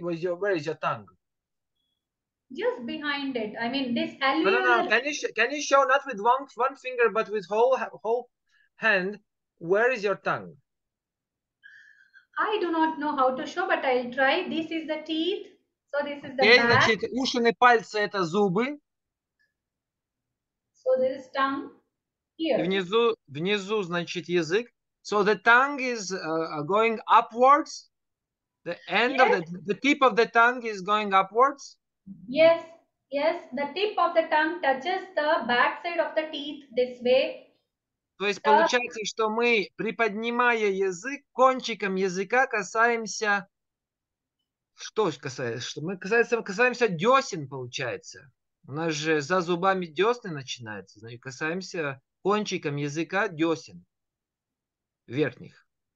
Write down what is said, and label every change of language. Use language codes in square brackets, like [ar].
[en] Where is your tongue? Just behind it. I mean, this alveolar. No. Can you show not with one finger, but with whole hand? Where is your tongue? I do not know how to show, but I'll try. This is the teeth. So this is the back. [ru] Значит, ушные пальцы это зубы. [en] So this is tongue here. [ru] Внизу, значит, язык. [en] So the tongue is going upwards. The end of the tip of the tongue is going upwards. Yes, Yes, the tip of the tongue touches the back side of the teeth this way. [ru] То есть получается, что мы, приподнимая язык, кончиком языка касаемся... Что касается? Что мы касаемся десен, получается. У нас же за зубами десны начинаются. Значит, касаемся кончиком языка десен верхних.